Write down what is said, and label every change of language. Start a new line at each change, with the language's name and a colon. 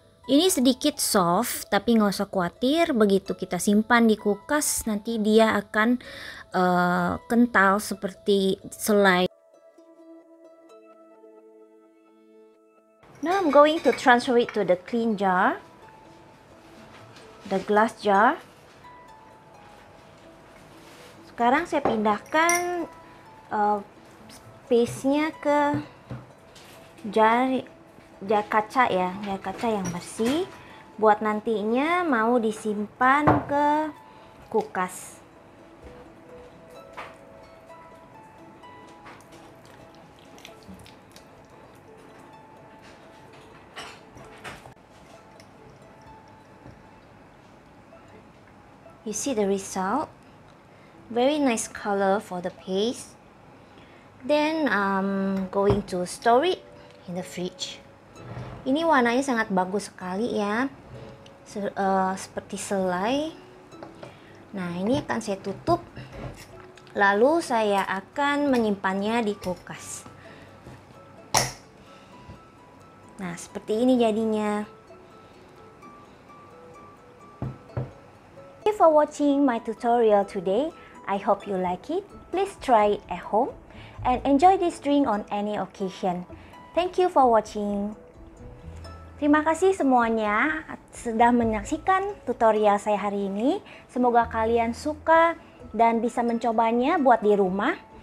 Indonesian: Ini sedikit soft, tapi nggak usah khawatir. Begitu kita simpan di kulkas, nanti dia akan kental seperti selai.
English: Now I'm going to transfer it to the clean jar, the glass jar.
Indonesian: Sekarang saya pindahkan paste-nya ke jar kaca ya, jar kaca yang bersih buat nantinya mau disimpan ke kulkas.
English: You see the result, very nice color for the paste. Then I'm going to store it in the fridge.
Indonesian: Ini warnanya sangat bagus sekali ya, seperti selai. Nah, ini akan saya tutup, lalu saya akan menyimpannya di kulkas. Nah, seperti ini jadinya.
English: Thank you for watching my tutorial today. I hope you like it. Please try it at home and enjoy this drink on any occasion. Thank you for watching.
Indonesian: Terima kasih semuanya sudah menyaksikan tutorial saya hari ini. Semoga kalian suka dan bisa mencobanya buat di rumah.